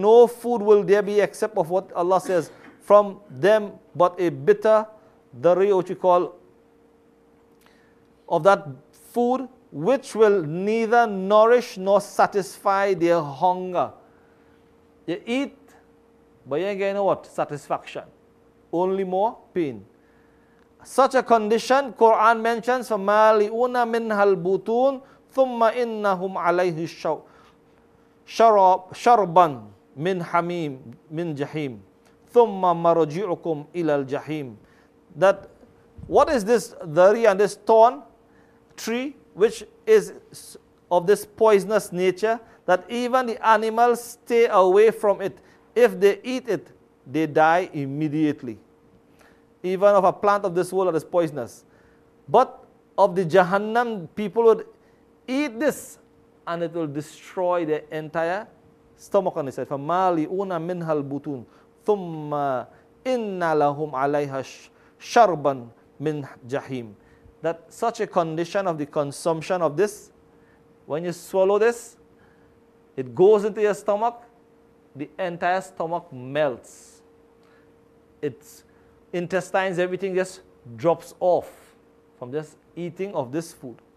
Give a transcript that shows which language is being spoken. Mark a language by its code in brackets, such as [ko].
[en] No food will there be except of what Allah says from them, but a bitter dari, what you call, of that food which will neither nourish nor satisfy their hunger. You eat, but you ain't getting what? Satisfaction. Only more pain. Such a condition, Quran mentions, [ar] فَمَالِئُونَ مِنْهَا الْبُطُونَ ثُمَّ إِنَّهُمْ عَلَيْهِ شَرْبًا مِنْ حَمِيمٍ مِنْ جَحِيمٍ ثُمَّ مَرَجِعُكُمْ إِلَى الْجَحِيمٍ. [en] That, what is this dhari and this thorn tree, which is of this poisonous nature, that even the animals stay away from it. If they eat it, they die immediately. Even of a plant of this world that is poisonous. But of the Jahannam, people would eat this and it will destroy their entire stomach. And he said, [ar] فَمَالِئُونَ مِنْهَا الْبُطُونَ ثُمَّ إِنَّ لَهُمْ عَلَيْهَا شَرْبًا مِنْ جَحِيمٍ. [en] That such a condition of the consumption of this, when you swallow this, it goes into your stomach, the entire stomach melts. Its intestines, everything just drops off from just eating of this food.